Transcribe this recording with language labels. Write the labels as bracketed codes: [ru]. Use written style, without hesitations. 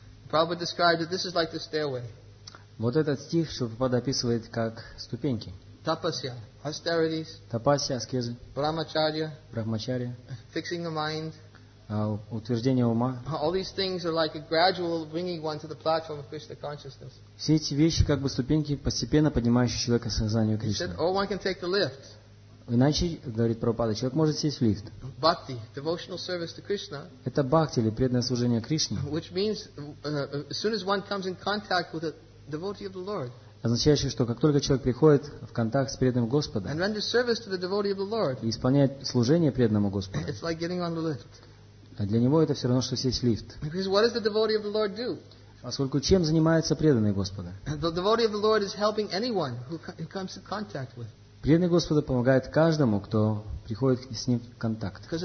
[en] Prabhupada described that this is like the stairway. [ru] Вот этот стих, что Прабхупада описывает как ступеньки. [en] Tapasya, austerities. [ru] Tapasya, аскезы. [en] Brahmacharya. [ru] Брахмачарья. [en] Fixing the mind. [ru] Утверждение ума. [en] All these things are like a gradual bringing one to the platform of Krishna consciousness. [ru] Все эти вещи как бы ступеньки, постепенно поднимающие человека к сознанию Кришны. [en] Said, or one can take the lift. [ru] Иначе, говорит Прабхупада, человек может сесть в лифт. [en] Bhakti, devotional service to Krishna. [ru] Это бхакти или преданное служение Кришне. [en] Which means, as soon as one comes in contact with a devotee of the Lord. [ru] Означающее, что как только человек приходит в контакт с преданным Господом. [en] And renders service to the devotee of the Lord. [ru] И исполняет служение преданному Господу. [en] It's like getting on the lift. [ru] А для него это все равно, что сесть в лифт. [en] Because what does the devotee of the Lord do? [ru] Поскольку чем занимается преданный Господа? [en] The devotee of the Lord is helping anyone who comes in contact with. [ru] Преданный Господа помогает каждому, кто приходит с ним в контакт.